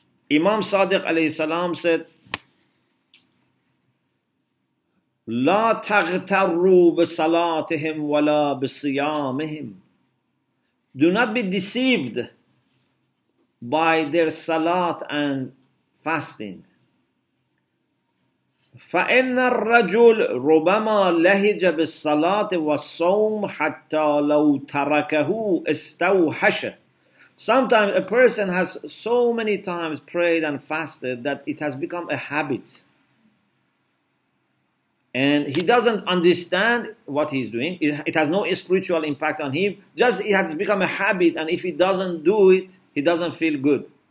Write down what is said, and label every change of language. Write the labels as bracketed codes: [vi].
[en] Imam Sadiq alayhi salam said, [ar] لا تغتروا بصلاتهم ولا بصيامهم. [en] Do not be deceived by their salat and fasting. [ar] فإن الرجل ربما لهج بالصلاة والصوم حتى لو تركه استوحش. [en] Sometimes a person has so many times prayed and fasted that it has become a habit. And he doesn't understand what he's doing. It has no spiritual impact on him. Just it has become a habit. And if he doesn't do it, he doesn't feel good.